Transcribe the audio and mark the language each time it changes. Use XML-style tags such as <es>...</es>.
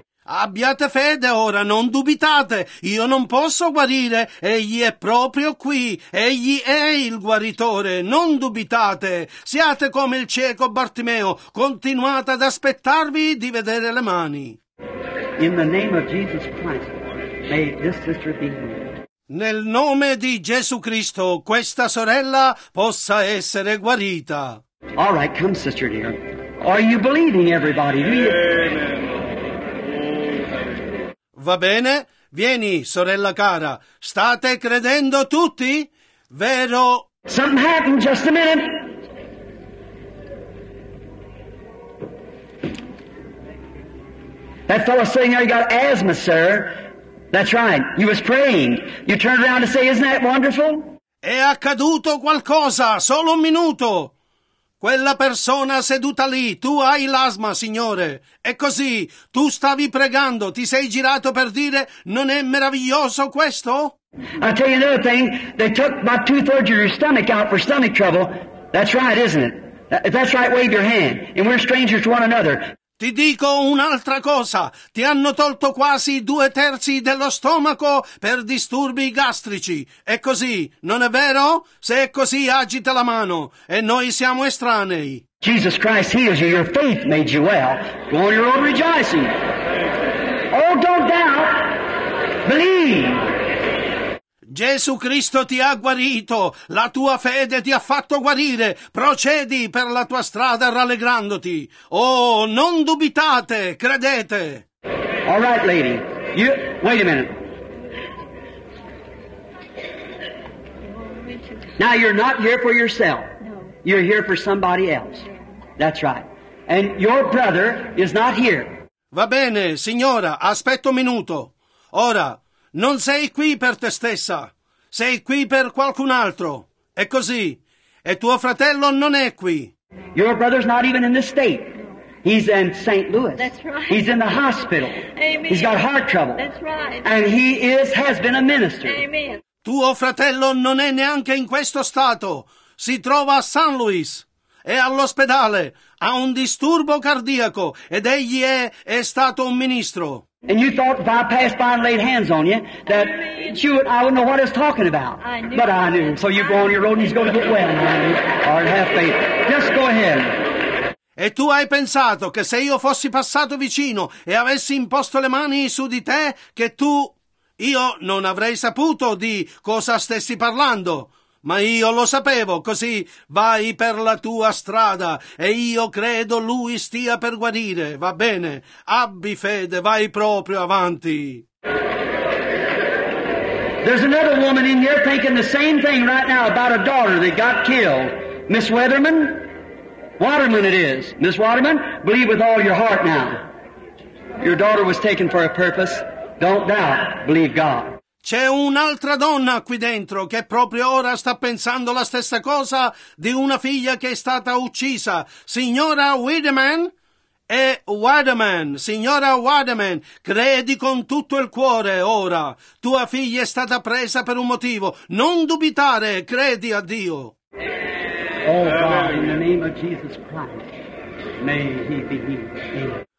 <it>Abbiate fede ora, non dubitate, io non posso guarire, egli è proprio qui, egli è il guaritore, non dubitate, siate come il cieco Bartimeo, continuate ad aspettarvi di vedere le mani.</it> <en>In the name of Jesus Christ, may this sister be healed.</en> <it>Nel nome di Gesù Cristo, questa sorella possa essere guarita.</it> <en>All right, come sister dear, are you believing everybody?</en> <it>Va bene? Vieni, sorella cara. State credendo tutti? Vero?</it> <en>Something happened, just a minute. That fellow sitting there, you got asthma, sir. That's right. You was praying. You turned around to say, isn't that wonderful?</en> <it>È accaduto qualcosa, solo un minuto. Quella persona seduta lì, tu hai l'asma, signore. E così, tu stavi pregando, ti sei girato per dire, non è meraviglioso questo?</it> <en>I'll tell you another thing, they took about two-thirds of your stomach out for stomach trouble. That's right, isn't it? That's right, wave your hand. And we're strangers to one another.</en> <it>Ti dico un'altra cosa, ti hanno tolto quasi due terzi dello stomaco per disturbi gastrici. È così, non è vero? Se è così, agita la mano, e noi siamo estranei.</it> <en>Jesus Christ heals you, your faith made you well. Go on your own rejoicing. Oh, don't doubt, believe.</en> <it>Gesù Cristo ti ha guarito, la tua fede ti ha fatto guarire, procedi per la tua strada rallegrandoti. Oh, non dubitate, credete.</it> <en>All right, lady. You, wait a minute. Now, you're not here for yourself. No. You're here for somebody else. That's right. And your brother is not here.</en> <it>Va bene, signora, aspetta un minuto. Ora, non sei qui per te stessa. Sei qui per qualcun altro. È così. E tuo fratello non è qui.</it> <en>Your brother's not even in the state. He's in St. Louis. That's right. He's in the hospital. Amen. He's got heart trouble. That's right. And he has been a minister. Amen.</en> <it>Tuo fratello non è neanche in questo stato. Si trova a St. Louis. È all'ospedale. Ha un disturbo cardiaco. Ed egli è stato un ministro.</it> <en>And you thought if I passed by and laid hands on you, that I wouldn't know what I was talking about. I knew. So you go on your road and he's going to get well. Or have faith. Just go ahead.</en> <it>E tu hai pensato che se io fossi passato vicino e avessi imposto le mani su di te, che tu... Io non avrei saputo di cosa stessi parlando, ma io lo sapevo, così vai per la tua strada e io credo lui stia per guarire, va bene, abbi fede, vai proprio avanti.</it> <en>There's another woman in here thinking the same thing right now about a daughter that got killed. Miss Weatherman? Waterman it is. Miss Waterman, believe with all your heart now. Your daughter was taken for a purpose. Don't doubt. Believe God.</en> <it>C'è un'altra donna qui dentro che proprio ora sta pensando la stessa cosa di una figlia che è stata uccisa. Signora Wideman e Waterman. Signora Waterman, credi con tutto il cuore ora. Tua figlia è stata presa per un motivo. Non dubitare. Credi a Dio.</it> <en>Oh, God, in the name of Jesus Christ, may he be healed.</en>